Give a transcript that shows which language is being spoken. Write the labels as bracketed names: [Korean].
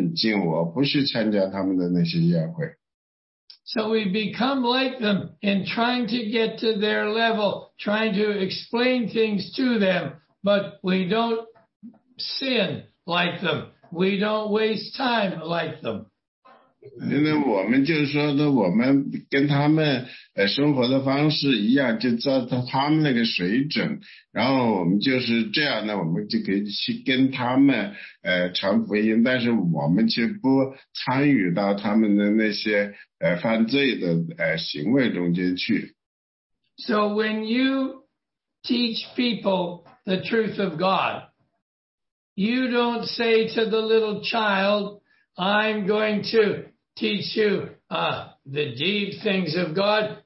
[Chinese] 宴会这样的就是party啊，他说不是主耶稣基督要求我们生活成这样一个成天欢宴的这样一个生活。所以呢，我在星期五的晚上呢，我去教会，去教会教那些孩子们圣经，我不是参加他们的那些宴会。 [English] So we become like them in trying to get to their level, trying to explain things to them, but we don't sin like them. We don't waste time like them. [Chinese] 因为我们就是说呢，我们跟他们生活的方式一样，就照他们那个水准，然后我们就是这样呢，我们就可以去跟他们传福音，但是我们却不参与到他们的那些犯罪的行为中间去。 [English] So when you teach people the truth of God, you don't say to the little child, I'm going to teach you the deep things of God.